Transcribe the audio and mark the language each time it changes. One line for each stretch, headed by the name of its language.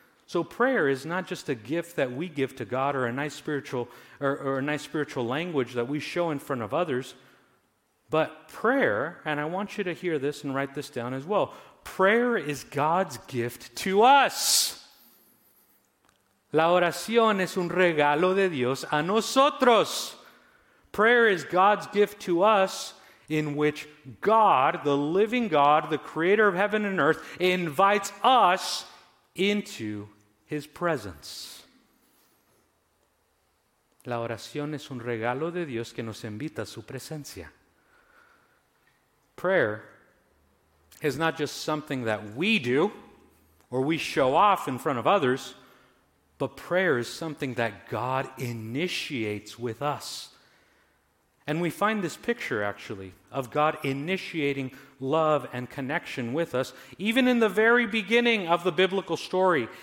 English: So prayer is not just a gift that we give to God or a nice spiritual or a nice spiritual language that we show in front of others. But prayer, and I want you to hear this and write this down as well, prayer is God's gift to us.
Spanish: La oración es un regalo de Dios a nosotros.
English: Prayer is God's gift to us, in which God, the living God, the creator of heaven and earth, invites us into his presence.
Spanish: La oración es un regalo de Dios que nos invita a su presencia.
English: Prayer is not just something that we do or we show off in front of others, but prayer is something that God initiates with us. And we find this picture, actually, of God initiating love and connection with us, even in the very beginning of the biblical story.